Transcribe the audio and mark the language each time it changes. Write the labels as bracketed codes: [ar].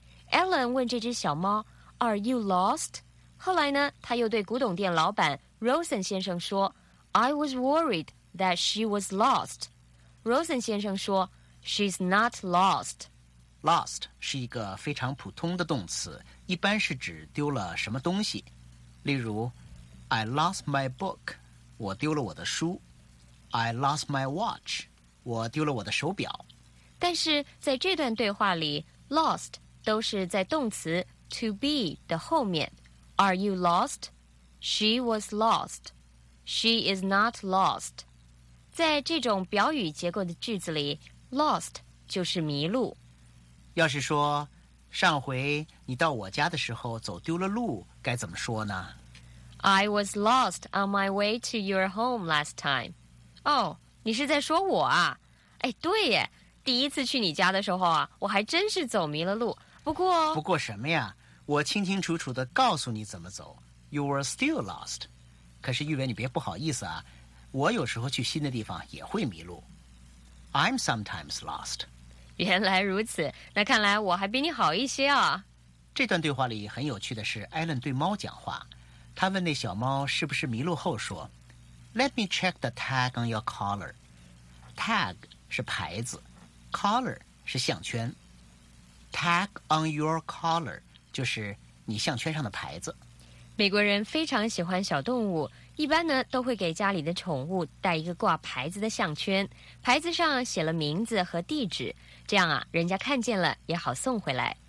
[zh] Ellen 问这只小猫 , [en] Are you lost? [zh] 后来呢他又对古董店老板 Rosen 先生说 , [en] I was worried that she was lost. Rosen [zh] 先生说 [en] ,She's not lost. [zh] Lost 是一个非常普通的动词，一般是指丢了什么东西。例如 [en] ,I lost my book. [zh] 我丢了我的书 ， [en] I lost my watch， [zh] 我丢了我的手表。但是在这段对话里 ，lost 都是在动词 to be 的后面。 [en] Are you lost? She was lost. She is not lost. [zh] 在这种表语结构的句子里 ，lost 就是迷路。要是说上回你到我家的时候走丢了路，该怎么说呢？ [en] I was lost on my way to your home last time. [zh] 哦、oh, ，你是在说我啊？哎，对耶，第一次去你家的时候啊，我还真是走迷了路。不过什么呀？我清清楚楚地告诉你怎么走。 [en] You were still lost. [zh] 可是玉伟，你别不好意思啊，我有时候去新的地方也会迷路。 [en] I'm sometimes lost. [zh] 原来如此，那看来我还比你好一些啊。这段对话里很有趣的是，艾伦对猫讲话。他问那小猫是不是迷路后说 [en] Let me check the tag on your collar. [zh] Tag 是牌子， collar 是项圈。 Tag on your collar 就是你项圈上的牌子。美国人非常喜欢小动物，一般呢都会给家里的宠物带一个挂牌子的项圈，牌子上写了名字和地址，这样啊人家看见了也好送回来。